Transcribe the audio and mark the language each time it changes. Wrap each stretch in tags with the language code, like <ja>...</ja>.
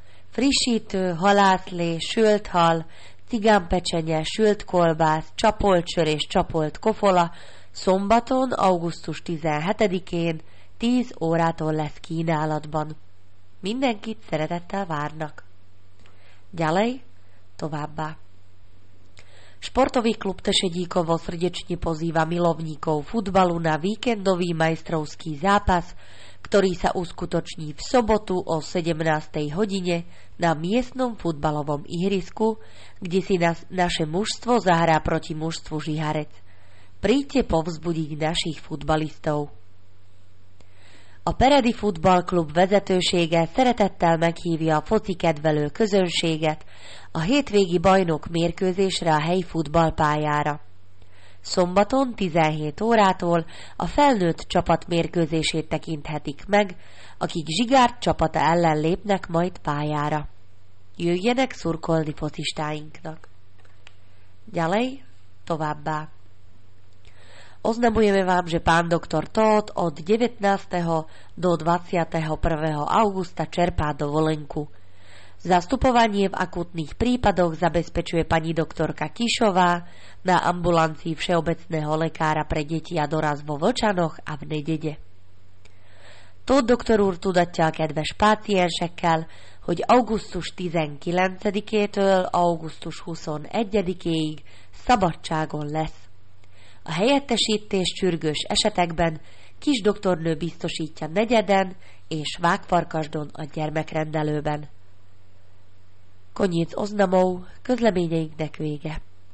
<hu>Frissítő, halászlé, sült hal, cigánpecsenye, sült kolbász, csapolt sör és csapolt kofola szombaton, augusztus 17-én 10 órától lesz kínálatban. Mindenkit szeretettel várnak.</hu> <sk>Ďalej,</sk> <hu>továbbá.</hu> <sk>Sportový klub Tešedíkovo srdečne pozýva milovníkov futbalu na víkendový majstrovský zápas, ktorý sa uskutoční v sobotu o 17. hodine na miestnom futbalovom ihrisku, kde si naše mužstvo zahrá proti mužstvu Žiharec. Príďte povzbudiť našich futbalistov.</sk> <hu>A Peredi futballklub vezetősége szeretettel meghívja a foci kedvelő közönséget a hétvégi bajnok mérkőzésre a helyi futballpályára. Szombaton 17 órától a felnőtt csapat mérkőzését tekinthetik meg, akik Zsigárd csapata ellen lépnek majd pályára. Jöjjenek szurkolni focistáinknak!</hu> <sk>Gyalej,</sk> <hu>továbbá!</hu> <sk>Oznamujeme vám, že pán doktor Tóth od 19. do 21. augusta čerpá dovolenku. Zastupovanie v akutných prípadoch zabezpečuje pani doktorka Kišová na ambulancii všeobecného lekára pre deti a doraz vo Vlčanoch a v Nedede.</sk> <hu>Tóth doktor úr tudatel kedves páciensekkel, hogy augusztus 19-től augusztus 21-ig szabadságon lesz. A helyettesítés sürgős esetekben kis doktornő biztosítja Negyeden és Vágfarkasdon a gyermekrendelőben.</hu> <sk>Koniec oznamov,</sk> <hu>közleményeinknek vége.</hu>